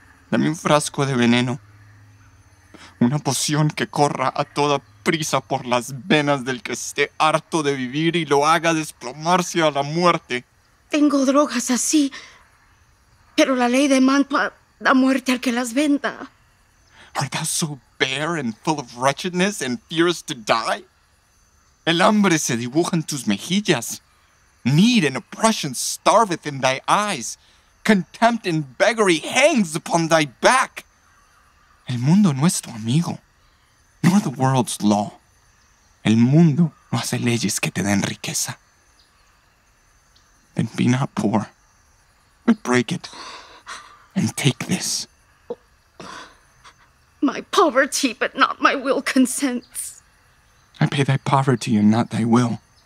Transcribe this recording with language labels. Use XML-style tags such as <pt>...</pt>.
<es>Dame un frasco de veneno, una poción que corra a toda prisa por las venas del que esté harto de vivir y lo haga desplomarse a la muerte. Tengo drogas así, pero la ley de Mantua da muerte al que las venda.</es> <en>Art thou so bare and full of wretchedness and fears to die?</en> <es>El hambre se dibuja en tus mejillas.</es> <en>Need and oppression starveth in thy eyes. Contempt and beggary hangs upon thy back.</en> <es>El mundo no es tu amigo,</es> <en>nor the world's law.</en> <es>El mundo no hace leyes que te den riqueza.</es> <en>Then be not poor, but break it and take this. My poverty, but not my will, consents. I pay thy poverty and not thy will.</en>